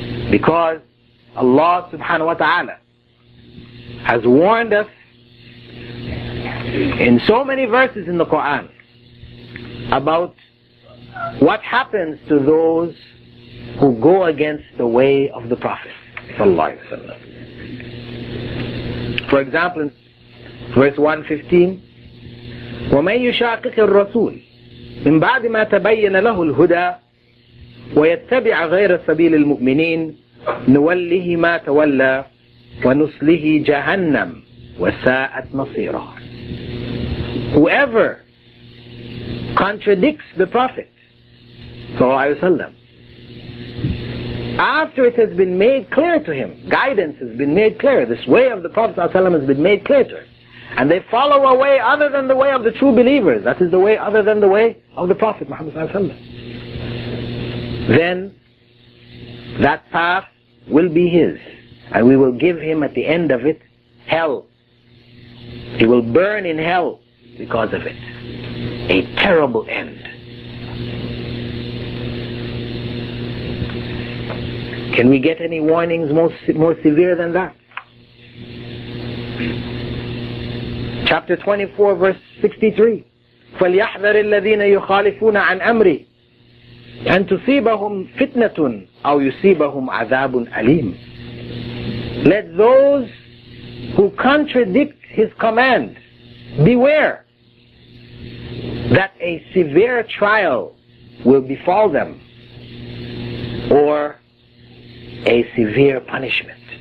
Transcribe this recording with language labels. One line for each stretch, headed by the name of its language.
English: Because Allah subhanahu wa ta'ala has warned us in so many verses in the Quran about what happens to those who go against the way of the Prophet sallallahu alaihi wasallam. For example, in verse 115,
Arabic: وَمَنْ يُشَاقِقِ الرَّسُولِ مِنْ بَعْدِ مَا تَبَيَّنَ لَهُ الْهُدَى وَيَتَّبِعَ غَيْرَ سَبِيلِ الْمُؤْمِنِينَ نُوَلِّهِ مَا تَوَلَّى وَنُصْلِهِ جَهَنَّمْ وَسَاءَتْ مَصِيرًا.
English: Whoever contradicts the Prophet after it has been made clear to him, guidance has been made clear, this way of the Prophet ﷺ has been made clear to him, and they follow a way other than the way of the true believers, that is the way other than the way of the Prophet Muhammad ﷺ, then that path will be his, and we will give him at the end of it hell. He will burn in hell because of it. A terrible end. Can we get any warnings more severe than that? Chapter 24, verse 63.
Arabic: فَلْيَحْذَرِ الَّذِينَ يُخَالِفُونَ عَنْ أَمْرِي أن تصيبهم فتنة أو يصيبهم عذاب أليم.
English: Let those who contradict his command beware that a severe trial will befall them or a severe punishment.